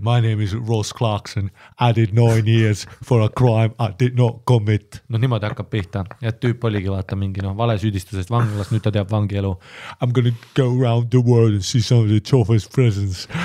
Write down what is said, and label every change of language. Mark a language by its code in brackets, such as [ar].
[en] my name is Ross Clarkson. I did 9 years for a crime I did not commit. [et] No niimoodi hakkab pihta. Ja tüüp oligi vaata mingi no, vale süüdistusest vanglas, nüüd ta teab vangielu. [en] I'm gonna go around the world and see some of the toughest prisons.